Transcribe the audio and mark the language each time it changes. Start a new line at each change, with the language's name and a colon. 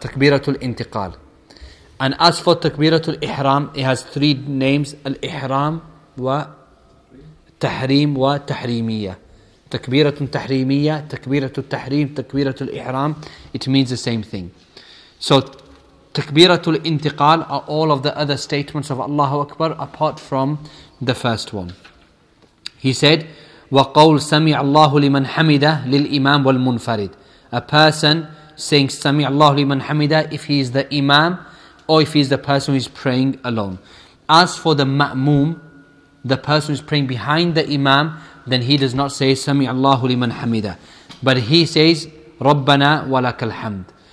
English: Takbiratul intiqal. And as for takbiratul ihram, it has 3 names: al-ihram wa tahrim wa tahrimiyya. Takbiratul tahrimiyya, takbiratul tahrim, takbiratul ihram. It means the same thing. So takbiratul intiqal are all of the other statements of Allahu Akbar apart from the first one. He said,
Arabic: وَقَوْلْ سَمِعَ اللَّهُ لِمَنْ حَمِدَهُ لِلْإِمَامِ وَالْمُنْفَرِدِ.
English: A person saying
Arabic: سَمِعَ اللَّهُ لِمَنْ حَمِدَهُ,
English: if he is the imam or if he is the person who is praying alone. As for the ma'moom, the person who is praying behind the imam, then he does not say
Arabic: سَمِعَ اللَّهُ لِمَنْ حَمِدَهُ,
English: but he says
Arabic: رَبَّنَا وَلَكَ الْحَمْدِ.